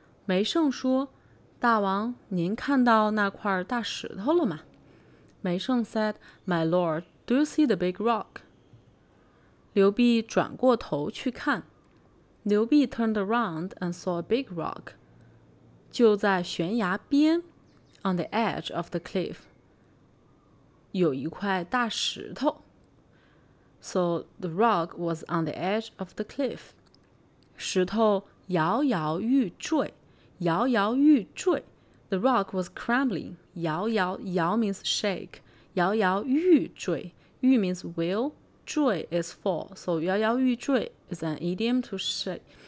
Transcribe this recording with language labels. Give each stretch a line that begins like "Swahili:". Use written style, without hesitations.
Chinese: 梅胜说，大王，您看到那块大石头了吗？
English: 梅胜 said, My lord, do you see the big rock?
Chinese: 刘辟转过头去看。
English: 刘辟 turned around and saw a big rock.
Chinese: 就在悬崖边
English: on the edge of the cliff,
Chinese: 有一块大石头。
English: So the rock was on the edge of the cliff.
Chinese: 石头摇摇欲坠，摇摇欲坠。
English: The rock was crumbling. 摇摇，摇 means shake. 摇摇欲坠，欲 means will. 坠 is fall. So 摇摇欲坠 is an idiom to shake.